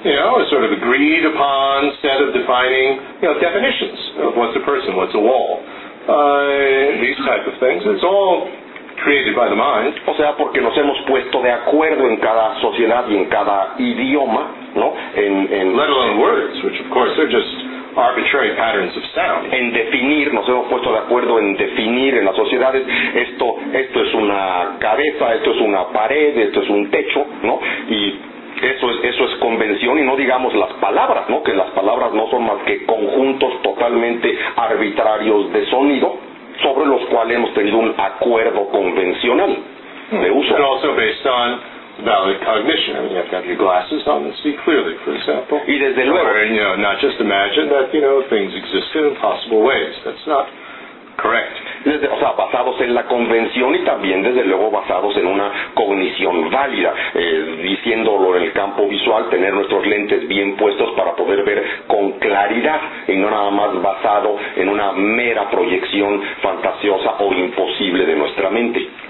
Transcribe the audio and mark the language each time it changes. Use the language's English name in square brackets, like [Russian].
[English] You know, a sort of agreed upon set of defining, you know, definitions of what's a person, what's a wall, these type of things. It's all created by the mind. [Spanish] O sea, porque nos hemos puesto de acuerdo en cada sociedad y en cada idioma, ¿no? [English] Let alone words, which of course are just arbitrary patterns of sound. [Spanish] En definir, nos hemos puesto de acuerdo en definir en las sociedades, esto es una cabeza, esto es una pared, esto es un techo, ¿no? Y eso es convención, y no digamos las palabras, ¿no? Que las palabras no son más que conjuntos totalmente arbitrarios de sonido, sobre los cuales hemos tenido un acuerdo convencional de uso. [English] And also based on valid cognition. I mean, you have to have your glasses on and see clearly, for example. [Spanish] Y desde luego. [English] Or, you know, not just imagine that, you know, things exist in impossible ways. That's not correct. [Spanish] O sea, basados en la convención y también, desde luego, basados en una cognición válida. Diciéndolo en el campo visual, tener nuestros lentes bien puestos para poder ver con claridad y no nada más basado en una mera proyección fantasiosa o imposible de nuestra mente.